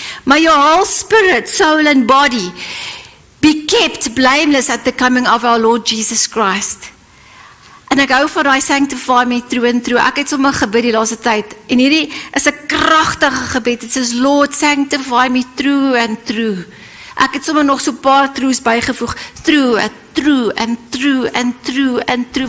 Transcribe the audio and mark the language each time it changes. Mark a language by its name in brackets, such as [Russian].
[English] May your whole spirit, soul and body, be kept blameless at the coming of our Lord Jesus Christ. [Afrikaans] En ek hou van die [English] sanctify me through and through. [Afrikaans] Ek het sommer gebid die laaste tyd. En hierdie is 'n krachtige gebed. Dit is [English] Lord, sanctify me through and through. [Afrikaans] Ek het sommer nog so paar through's bygevoeg. [English] Through and through and through and through and through.